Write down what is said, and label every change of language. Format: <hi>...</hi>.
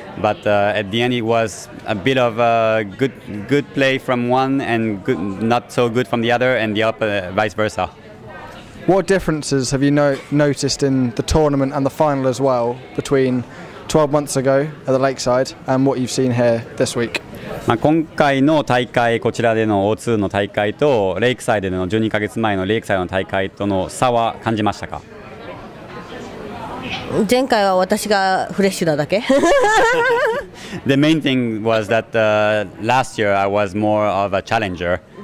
<en>But at the end, it was a bit of a good play from one and good, not so good from the other, and the up, vice versa. What differences have you noticed in the tournament and the final as well between 12 months ago at the Lakeside and what you've seen here this week?</en> <ja>まあ、今回の大会、こちらでの O2 の大会とレイクサイドでの12ヶ月前のレイクサイドの大会との差は感じましたか？前回は私がフレッシュなだけ。</ja> <en>The main thing was that last year I was more of a challenger.</en>